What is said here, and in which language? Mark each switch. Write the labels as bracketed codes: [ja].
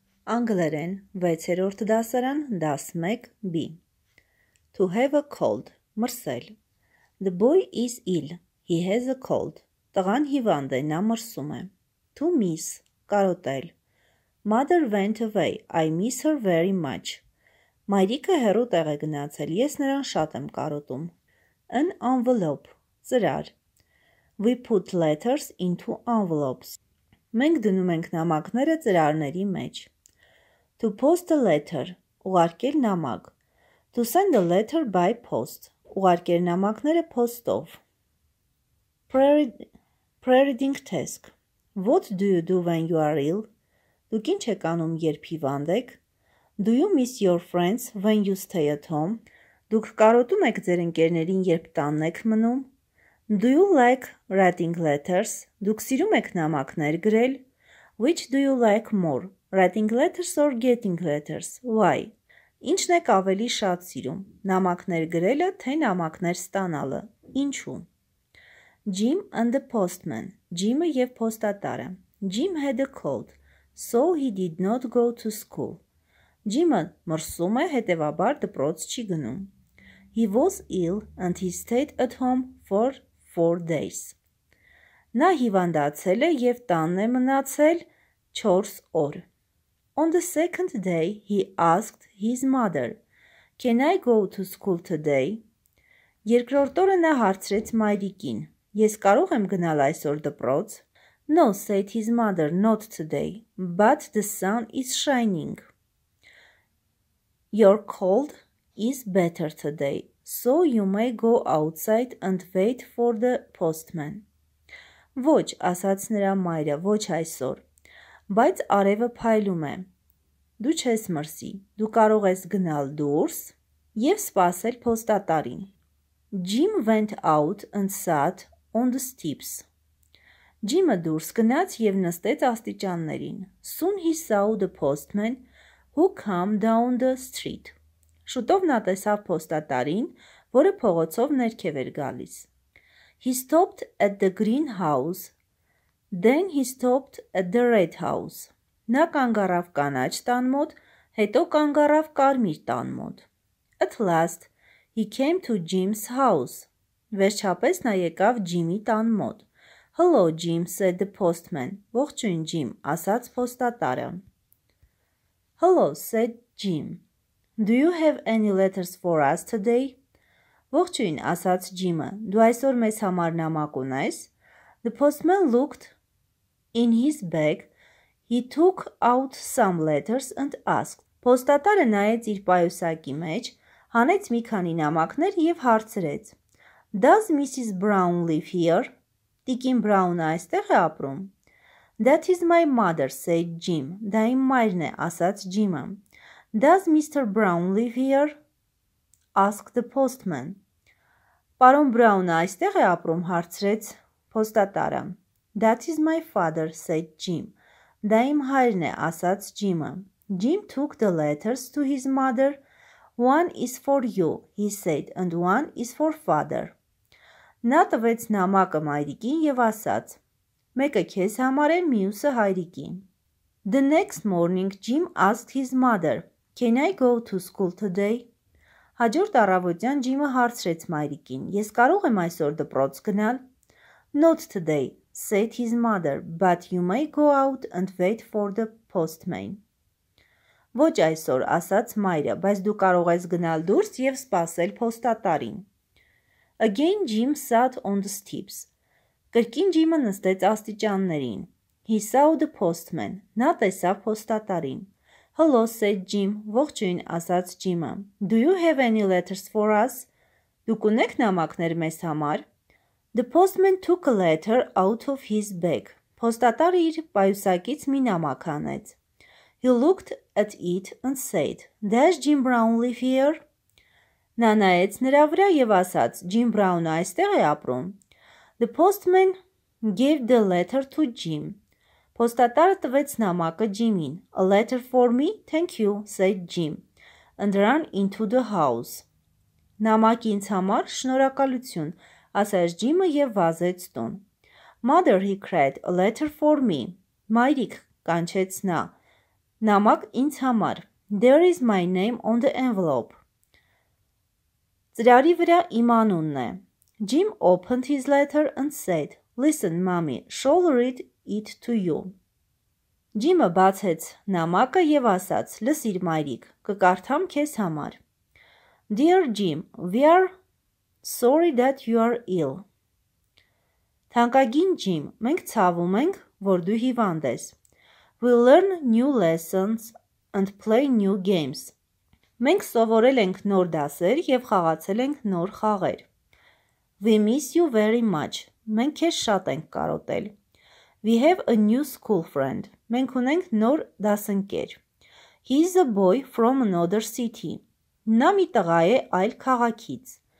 [hy] Anglaren, 6-րդ դասարան, դաս 1, B. [en] To have a cold, մրսել. The boy is ill, he has a cold. [hy] Տղան հիվանդ է, նա մրսում է. [en] To miss, [hy] կարոտել. [en] Mother went away, I miss her very much. [hy] Մայրիկը հեռու տեղ է գնացել, ես նրան շատ եմ կարոտում. [en] An envelope, ծրար. We put letters into envelopes. [hy] Մենք դնում ենք նամակները ծրարների մեջ. [en] To post a letter, [hy] ուղարկել նամակ. [en] To send a letter by post, [hy] ուղարկել նամակները post-ով. [en] Pre-reading task. What do you do when you are ill? [hy] Դուք ինչ եք անում, երբ հիվանդ եք? [en] Do you miss your friends when you stay at home? [hy] Դուք կարոտում եք ձեր ընկերներին, երբ տանն եք մնում? [en] Do you like writing letters? [hy] Դուք սիրում եք նամակներ գրել? [en] Which do you like more? Writing letters or getting letters? Why? [hy] Ինչն եք ավելի շատ սիրում? Նամակներ գրելը, թե նամակներ ստանալը? Ինչու? [en] Jim and the postman. [hy] Jim-ը եւ փոստատարը. [en] Jim had a cold, so he did not go to school. [hy] Jim-ը մրսում է, հետեւաբար դպրոց չի գնում. [en] He was ill and he stayed at home for 4 days. [hy] Նա հիվանդացել է եւ տանն է մնացել 4 օր. [en] On the second day, he asked his mother, "Can I go to school today?" [hy] Երկրորդ օրը նա հարցրեց մայրիկին. Ես կարող եմ գնալ այսօր դպրոց? [en] No, said his mother, not today, but the sun is shining. Your cold is better today, so you may go outside and wait for the postman. [hy] Ոչ, ասաց նրա մայրը, ոչ այսօր, բայց արևը փայլում է։ Դու չես մրսի, դու կարող ես գնալ դուրս և սպասել փոստատարին։ [en] Jim went out and sat on the steps. [hy] Jim-ը դուրս գնաց եւ նստեց աստիճաններին. [en] Soon he saw the postman who came down the street. [hy] Շուտով նա տեսավ փոստատարին, որը փողոցով ներքև էր գալիս. [en] He stopped at the green house, then he stopped at the red house. [hy] Նա կանգ առավ կանաչ տան մոտ, հետո կանգ առավ կարմիր տան մոտ. [en] At last, he came to Jim's house. [hy] Վերջապես նա եկավ Jim-ի տան մոտ. [en] Hello, Jim, said the postman. [hy] Ողջույն, Jim, ասաց փոստատարը. [en] Hello, said Jim. Do you have any letters for us today? [hy] Ողջույն, ասաց Jim-ը. Դու այսօր մեզ համար նամակ ունես? [en] The postman looked in his bag. He took out some letters and asked. [hy] Փոստատարը նայեց իր պայուսակի մեջ, հանեց մի քանի նամակներ եւ հարցրեց. [en] Does Mrs. Brown live here? [hy] Տիկին Բրաունը այստեղ է ապրում. [en] That is my mother, said Jim. [hy] Դա իմ մայրն է, ասաց Jim-ը. [en] Does Mr. Brown live here? Asked the postman. [hy] Պարոն Բրաունը այստեղ է ապրում, հարցրեց փոստատարը. [en] That is my father, said Jim. [hy] Դա իմ հայրն է, ասաց Jim-ը. [en] Jim took the letters to his mother. One is for you, he said, and one is for father. [hy] Նա տվեց նամակը մայրիկին եւ ասաց. Մեկը քեզ համար է, մյուսը հայրիկին. [en] The next morning Jim asked his mother, "Can I go to school today?" [hy] Հաջորդ առավոտյան Jim-ը հարցրեց մայրիկին. "Ես կարող եմ այսօր դպրոց գնալ?" [en] "Not today," said his mother, "but you may go out and wait for the postman." [hy] Ոչ այսօր, ասաց մայրը, բայց դու կարող ես գնալ դուրս եւ սպասել փոստատարին. [en] Again Jim sat on the steps. [hy] Կրկին Jim-ը նստեց աստիճաններին. [en] He saw the postman. [hy] Նա տեսավ փոստատարին. [en] Hello, said Jim. [hy] Ողջույն, ասաց Jim-ը. [en] Do you have any letters for us? [hy] Դուք ունե՞ք նամակներ մեզ համար. [en] The postman took a letter out of his bag. [hy] Փոստատարը իր պայուսակից մի նամակ հանեց. [en] He looked at it and said, "Does Jim Brown live here?" [hy] Նա նայեց նրա վրա եւ ասաց, "Jim Brown այստեղ է ապրում." [en] The postman gave the letter to Jim. [hy] Փոստատարը տվեց նամակը Jim-ին. [en] "A letter for me? Thank you," said Jim, and ran into the house. [hy] Նամակ ինձ համար, շնորհակալություն, ասաց Jim-ը եւ վազեց տուն. [en] "Mother," he cried, "a letter for me." [hy] Մայրիկ, կանչեց նա. Namak ինձ համար. [en] There is my name on the envelope. [hy] Ծրարի վրա իմ անունն է. [en] Jim opened his letter and said, Listen, mommy, shall read it to you. [hy] Jim-ը բացեց նամակը եւ ասաց. Լսիր, մայրիկ, կկարդամ քեզ համար. [en] Dear Jim, we are sorry that you are ill. [hy] Թանկագին Jim, մենք ցավում ենք, որ դու հիվանդ ես. [en] We learn new lessons and play new games. [hy] Մենք սովորել ենք նոր դասեր եւ խաղացել ենք նոր խաղեր. [en] We miss you very much. [hy] Մենք քեզ շատ ենք կարոտել. [en] We have a new school friend. [hy] Մենք ունենք նոր դասընկեր. [en] He is a boy from another city. [hy] Նա մի տղա է այլ քաղաքից.